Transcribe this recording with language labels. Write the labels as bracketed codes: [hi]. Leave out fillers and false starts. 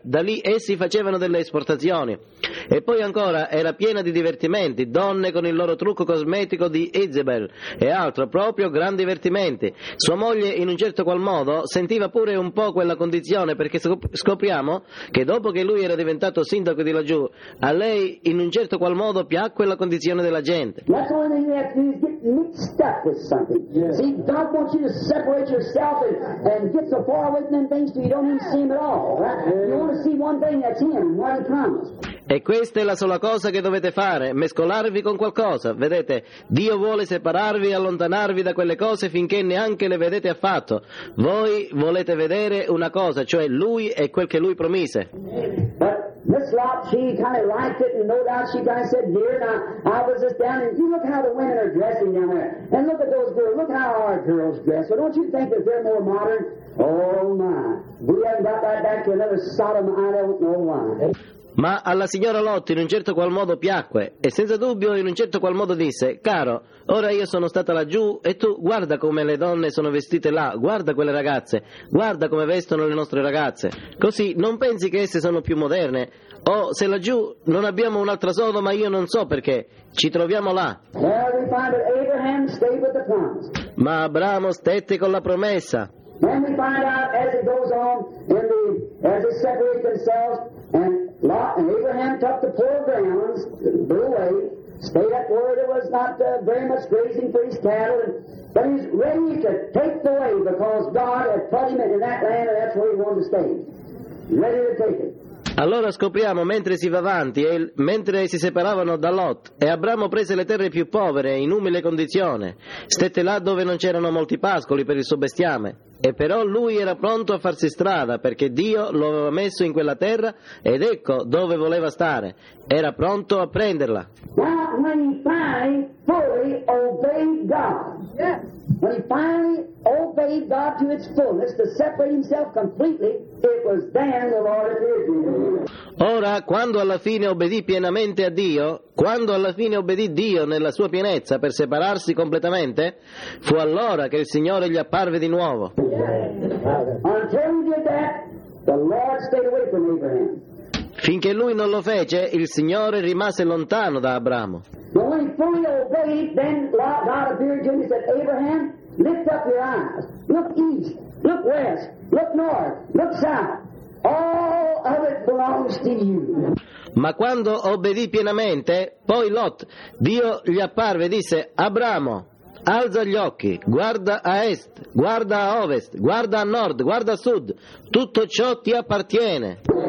[it] Da lì essi facevano delle esportazioni. E poi ancora era piena di divertimenti, donne con il loro trucco cosmetico di Jezebel e altro, proprio grandi divertimenti. Sua moglie, in un certo qual modo, sentiva pure un po' quella condizione, perché scopriamo che dopo che lui era diventato sindaco di laggiù, a lei in un certo qual modo piacque la condizione della gente. [en] That's the only thing you have to do is get mixed up with something. Yeah. See, God wants you to separate yourself and get so far away from them things so you don't even see him at all. Right? You want to see one thing, that's him, what he promised. [it] E questa è la sola cosa che dovete fare, mescolarvi con qualcosa. Vedete, Dio vuole separarvi e allontanarvi da quelle cose finché neanche le vedete affatto. Voi volete vedere una cosa, cioè Lui e quel che Lui promise. [en] But Miss Lot, she kind of liked it, and no doubt she kind of said, dear, now I was just down there. You look how the women are dressing down there. And look at those girls, look how our girls dress. Well, don't you think that they're more modern? Oh my, we haven't got that back to another Sodom, I don't know why. [it] Ma alla signora Lot in un certo qual modo piacque, e senza dubbio in un certo qual modo disse, caro, ora io sono stata laggiù e tu guarda come le donne sono vestite là, guarda quelle ragazze, guarda come vestono le nostre ragazze, così non pensi che esse sono più moderne? O se laggiù non abbiamo un'altra Sodoma, io non so perché, ci troviamo là. [en] Well, we find that Abraham stayed with the promise. [it] Ma Abramo stette con la promessa. [en] Then we find out as it goes on, in the, as they separate themselves, and Lot and Abraham took the poor grounds, blew away, stayed up where there was not very much grazing for his cattle, and, but he's ready to take the way because God had put him in that land and that's where he wanted to stay. Ready to take it. [it] Allora scopriamo, mentre si va avanti e mentre si separavano da Lot, e Abramo prese le terre più povere e in umile condizione, stette là dove non c'erano molti pascoli per il suo bestiame, e però lui era pronto a farsi strada perché Dio lo aveva messo in quella terra ed ecco dove voleva stare, era pronto a prenderla. [en] Now, when he finally fully obeyed God, yes. When he finally obeyed God to its fullness to separate himself completely, it was then the Lord appeared to him. [it] Ora, quando alla fine obbedì pienamente a Dio, quando alla fine obbedì Dio nella sua pienezza per separarsi completamente, fu allora che il Signore gli apparve di nuovo. [en] Until he did that, the Lord stayed away from Abraham. [it] Finché lui non lo fece, il Signore rimase lontano da Abramo. [en] But when he fully obeyed, then God appeared to him and said, Abraham, lift up your eyes. Look east, look west, look north, look south. All of it belongs to you. [it] Ma quando obbedì pienamente, poi Lot, Dio gli apparve e disse, Abramo, alza gli occhi, guarda a est, guarda a ovest, guarda a nord, guarda a sud, tutto ciò ti appartiene.